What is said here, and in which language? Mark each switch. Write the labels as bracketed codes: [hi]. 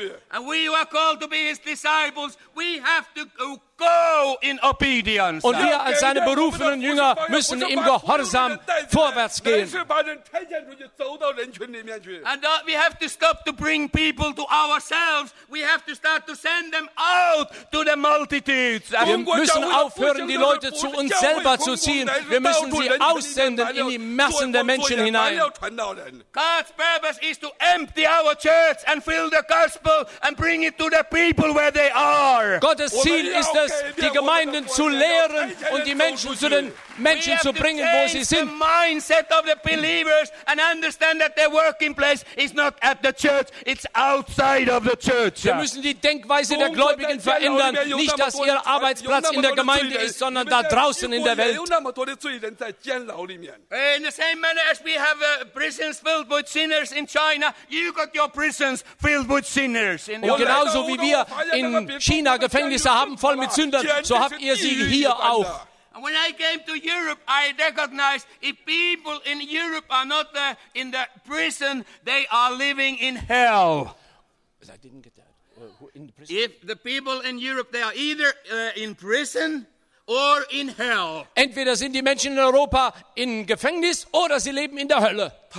[en] And we are called to be his disciples. We have to go in obedience. [de] Und wir als seine berufenen Jünger müssen im Gehorsam vorwärts gehen. [en] And we have to stop to bring people to ourselves. We have to start to send them out to the multitudes. [de] Wir müssen aufhören, die Leute zu uns selber zu ziehen. Wir müssen sie aussenden in die Massen der Menschen hinein. [en] God's purpose is to empty our church and fill the gospel and bring it to the people where they are. [de] Gottes Ziel ist es, die Gemeinden zu lehren und die Menschen zu den Menschen zu bringen, wo sie sind. [en] The mindset of the believers and understand that their working place is not at the church, it's outside of the church. [de] Wir müssen die Denkweise der Gläubigen verändern, nicht dass ihr Arbeitsplatz in der Gemeinde ist, sondern da draußen in der Welt. [en] In the same manner as we have prisons filled with sinners in China, you got your prisons filled with sinners. [de] Und genauso wie wir in China Gefängnisse haben voll mit Sündern, so habt ihr sie hier auch. [en] When I came to Europe, I recognized if people in Europe are not in the prison, they are living in hell. But I didn't get that. In the prison. If the people in Europe, they are either in prison or in hell. [de] Entweder sind die Menschen in Europa in Gefängnis oder sie leben in der Hölle.